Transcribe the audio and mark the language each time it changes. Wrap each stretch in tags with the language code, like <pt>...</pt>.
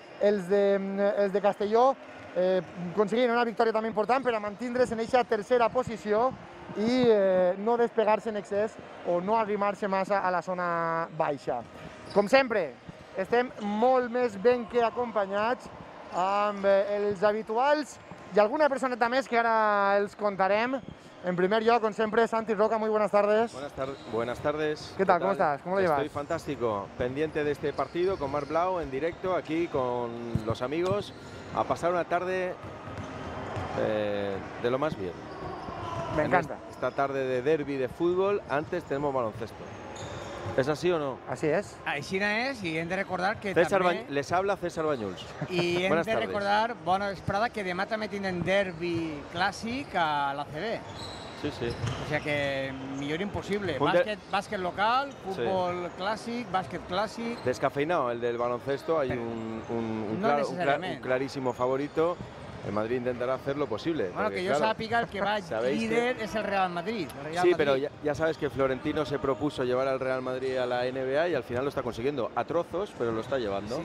<ca>Els de Castelló aconseguint una victòria també important per a mantindre's en aquesta tercera posició i no despegar-se en excés o no arrimar-se massa a la zona baixa. Com sempre, estem molt més ben que acompanyats amb els habituals i alguna personeta més que ara els contarem. En primer lloc, com sempre, Santi Roca,</ca> <es>muy buenas tardes. Buenas tardes. ¿Qué tal? ¿Cómo estás? ¿Cómo lo llevas? Estoy fantástico. Pendiente de este partido con Marblau en directo, aquí con los amigos, a pasar una tarde de lo más bien. Me encanta. En esta tarde de derbi de fútbol, antes tenemos baloncesto. ¿Es así o no? Así es. Así es, y</es> <ca>hem de recordar que César també...</ca> <es>Les habla César Banyuls.</es> <ca>I hem de recordar, bona vesprada, que demà també tenen derbi clàssic a la CB. Sí, sí.</ca> <es>O sea que</es> <ca>millor impossible. Bàsquet local, futbol sí. Clàssic, bàsquet clàssic...</ca> <es>Descafeinado, el del baloncesto, hay un clarísimo favorito. El Madrid intentará hacer lo posible. Bueno, porque, que yo claro, sápiga, el que va líder que... es el Real Madrid. Pero ya sabes que Florentino se propuso llevar al Real Madrid a la NBA y al final lo está consiguiendo. A trozos, pero lo está llevando.</es>